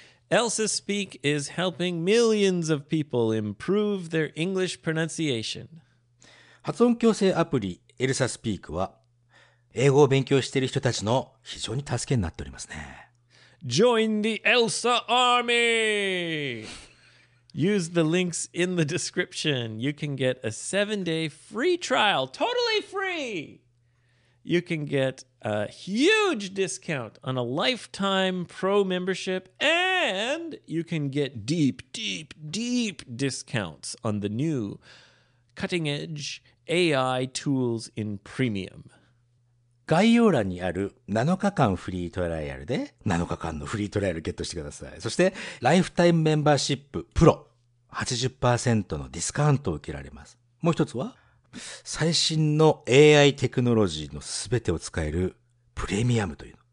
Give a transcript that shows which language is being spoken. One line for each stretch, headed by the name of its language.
English: Elsa Speak is helping millions of people improve their English pronunciation.
Japanese: 発音矯正アプリ Elsa Speak は英語を勉強している人たちの非常に助けになっておりますね。
English: Join the Elsa Army! Use the links in the description. You can get a 7-day free trial, totally free! You can get a huge discount on a lifetime pro membership, and you can get deep, deep, deep discounts on the new cutting-edge AI tools in premium.
Japanese: 概要欄にある7日間フリートライアルで7日間のフリートライアルゲットしてください。そしてライフタイムメンバーシッププロ 80% のディスカウントを受けられます。もう一つは最新の AI テクノロジーのすべてを使えるプレミアムというの。